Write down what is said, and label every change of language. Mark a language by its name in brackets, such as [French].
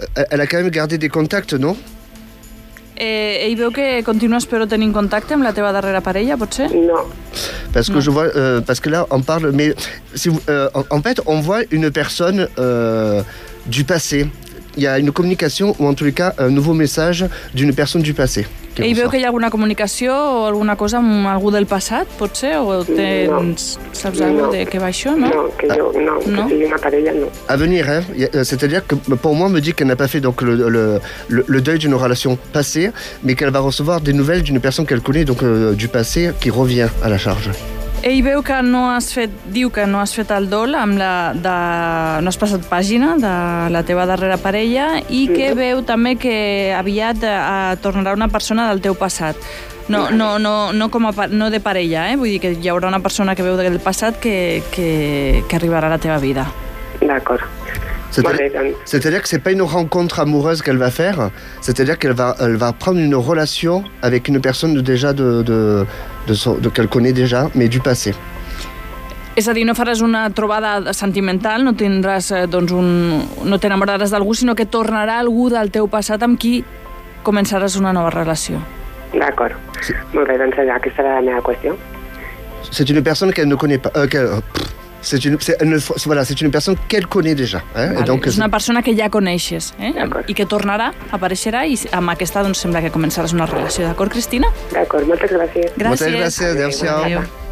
[French] Elle a quand même gardé des contacts, no? [Catalan] I veu que continues però tenint contacte amb la teva darrera parella, potser? No. Parce que je vois, parce que là, on parle, mais si vous, en fait, on voit une personne du passé. Il y a une communication, ou en tous les cas, un nouveau message d'une personne du passé. I veu que hi ha alguna comunicació o alguna cosa amb algú del passat, potser? O tens, no. Saps alguna no. De què va això, no? No, que jo, no. Que sigui una parella, no. [French] A venir, hein? C'est-à-dire que pour moi, me dit qu'elle n'a pas fait donc, le deuil d'une relation passée, mais qu'elle va recevoir des nouvelles d'une personne qu'elle connaît, donc du passé, qui revient à la charge. [Catalan] Ell veu que no has fet, diu que no has fet el dol amb la de, no has passat pàgina de la teva darrera parella i que veu també que aviat tornarà una persona del teu passat. No com a no de parella, eh? Vull dir que hi haurà una persona que veu del passat que arribarà a la teva vida. D'acord. [French] C'est-à-dire que ce n'est pas une rencontre amoureuse qu'elle va faire, c'est-à-dire qu'elle va prendre une relation avec une personne déjà de qu'elle connaît déjà, mais du passé. [Catalan] És a dir, no faràs una trobada sentimental, no tindràs, doncs, no t'enamoraràs d'algú, sinó que tornarà algú del teu passat amb qui començaràs una nova relació. D'acord. Sí. Molt bé, doncs aquesta era la meva qüestió. [French] C'est une personne qu'elle ne connaît pas... C'est une, voilà, c'est une personne qu'elle connaît déjà. Eh? [Catalan] Donc, és una persona que ja coneixes, eh? I que tornarà, apareixerà, i amb aquesta doncs, sembla que començaràs una relació. D'acord, Cristina? D'acord, moltes gràcies. Gràcies. Moltes gràcies, adéu-siau.